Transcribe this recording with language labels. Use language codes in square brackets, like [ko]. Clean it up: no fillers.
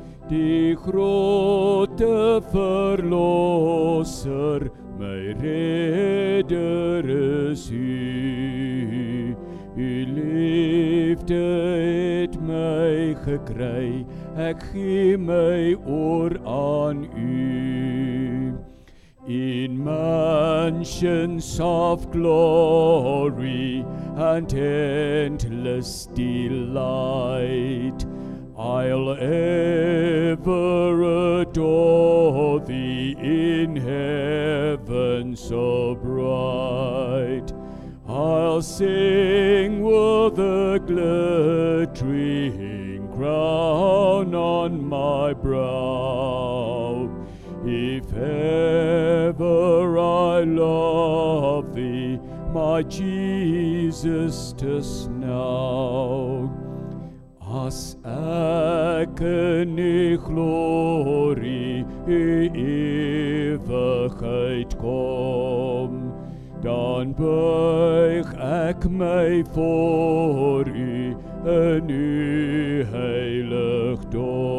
[af] Die grote verlosser, my redder is U. U liefde het my gekry, ek gee my oor aan U. [en] In mansions of glory and endless delight, I'll ever adore thee in heaven so bright. I'll sing with a glittering crown on my brow. If ever I love thee, my Jesus, 'tis now. [af] As ek in U glorie, U ewigheid kom, dan buig ek my voor U in U heiligdom.